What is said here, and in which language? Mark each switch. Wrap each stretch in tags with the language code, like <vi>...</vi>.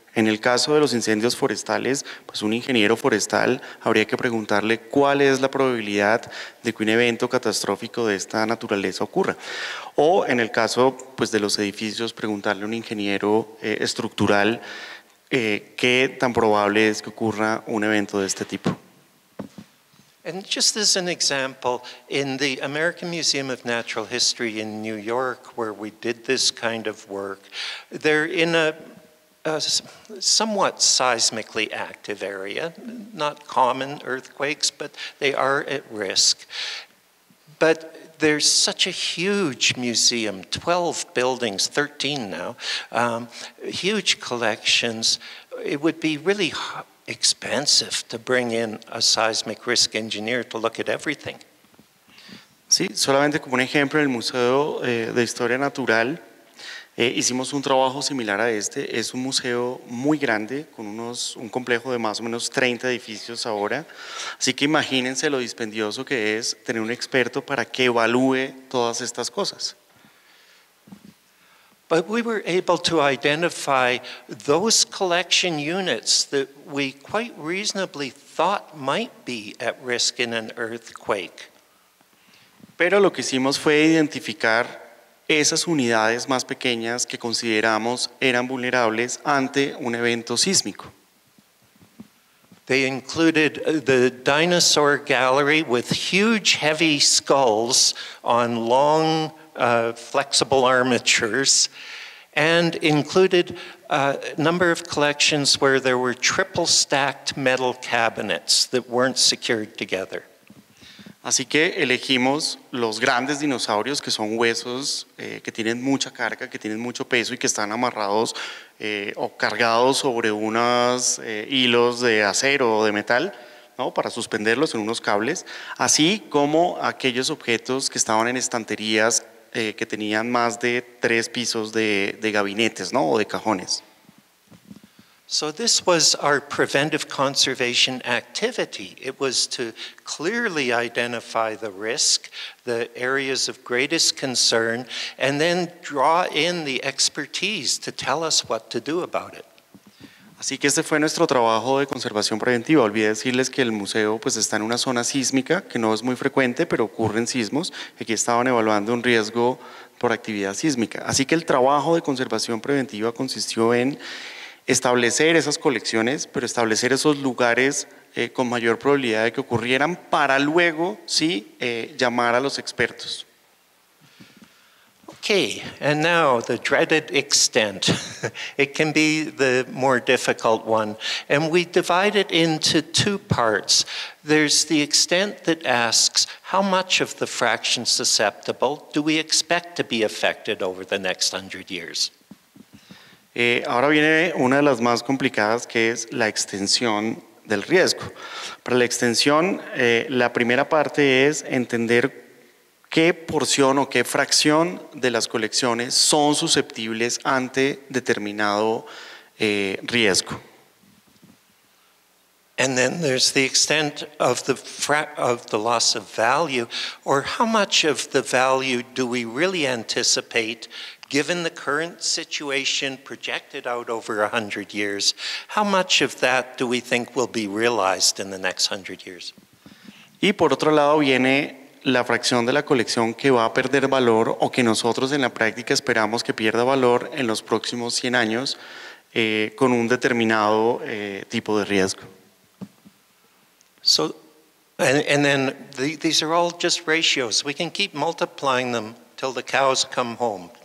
<es>En el caso de los incendios forestales, pues un ingeniero forestal habría que preguntarle cuál es la probabilidad de que un evento catastrófico de esta naturaleza ocurra. O en el caso pues, de los edificios, preguntarle a un ingeniero estructural qué tan probable es que ocurra un evento de este tipo.</es> <en>And just as an example, in the American Museum of Natural History in New York, where we did this kind of work, they're in a somewhat seismically active area, not common earthquakes, but they are at risk. But there's such a huge museum, 12 buildings, 13 now, huge collections. It would be really expensive to bring in a seismic risk engineer to look at everything.</en> <es>Sí, solamente como un ejemplo, en el Museo de Historia Natural hicimos un trabajo similar a este. Es un museo muy grande, con un complejo de más o menos 30 edificios ahora. Así que imagínense lo dispendioso que es tener un experto para que evalúe todas estas cosas.</es> <en>But we were able to identify those collection units that we quite reasonably thought might be at risk in an earthquake.</en> <es>Pero lo que hicimos fue identificar esas unidades más pequeñas que consideramos eran vulnerables ante un evento sísmico.</es> <en>They included the dinosaur gallery with huge heavy skulls on long flexible armatures, and included a number of collections where there were triple stacked metal cabinets that weren't secured together.</en> <es>Así que elegimos los grandes dinosaurios, que son huesos que tienen mucha carga, que tienen mucho peso y que están amarrados o cargados sobre unos hilos de acero o de metal, ¿no? Para suspenderlos en unos cables, así como aquellos objetos que estaban en estanterías que tenían más de tres pisos de gabinetes, ¿no? O de cajones.</es> <en>So this was our preventive conservation activity. It was to clearly identify the risk, the areas of greatest concern, and then draw in the expertise to tell us what to do about it.</en> <es>Así que este fue nuestro trabajo de conservación preventiva. Olvidé decirles que el museo pues está en una zona sísmica, que no es muy frecuente, pero ocurren sismos. Aquí estaban evaluando un riesgo por actividad sísmica. Así que el trabajo de conservación preventiva consistió en establecer esas colecciones, pero establecer esos lugares con mayor probabilidad de que ocurrieran para luego, sí, llamar a los expertos.</es> <en>Okay, and now the dreaded extent. It can be the more difficult one. And we divide it into two parts. There's the extent that asks, how much of the fraction susceptible do we expect to be affected over the next 100 years?</en> <es>Ahora viene una de las más complicadas, que es la extensión del riesgo. Para la extensión, la primera parte es entender qué porción o qué fracción de las colecciones son susceptibles ante determinado riesgo.</es> <en>And then there's the extent of the loss of value, or how much of the value do we really anticipate given the current situation projected out over 100 years, how much of that do we think will be realized in the next 100 years?</en> <es>Y por otro lado viene la fracción de la colección que va a perder valor o que nosotros en la práctica esperamos que pierda valor en los próximos 100 años con un determinado tipo de riesgo.</es> <en>So, and then these are all just ratios. We can keep multiplying them till the cows come home.</en>